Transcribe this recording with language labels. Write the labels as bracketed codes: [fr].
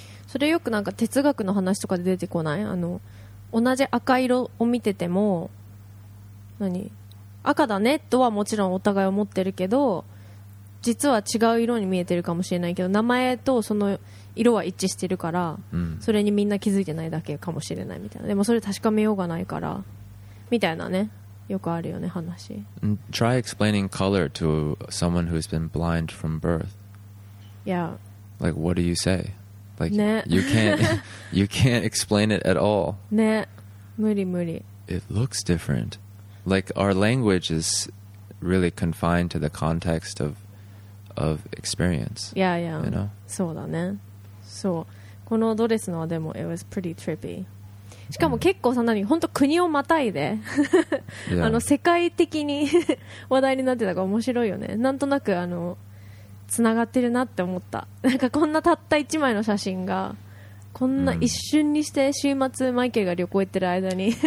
[ja] それよくなんか哲学の話とかで出てこない同じ赤色を見てても何赤だねとはもちろんお互い思ってるけど実は違う色に見えてるかもしれないけど名前とその色は一致してるから、 mm. それにみんな気づいてないだけかもしれないみたいなでもそれ確かめようがないからみたいなねよくあるよね話 [en] Try explaining color to someone who's been blind from birth Yeah Like what do you say? Like、 [ja] ね、 [en] you can't explain it at all [ja] ね無理無理 [en] It looks different Like our language is really confined to the context of experience Yeah yeah you know? [ja] そうだねそうこのドレスのはでも [en] It was pretty trippy [ja] しかも結構さ何本当国をまたいで世界的に話題になってたから面白いよねなんとなくつながってるなって思ったなんかこんなたった一枚の写真がこんな一瞬にして週末マイケルが旅行行ってる間に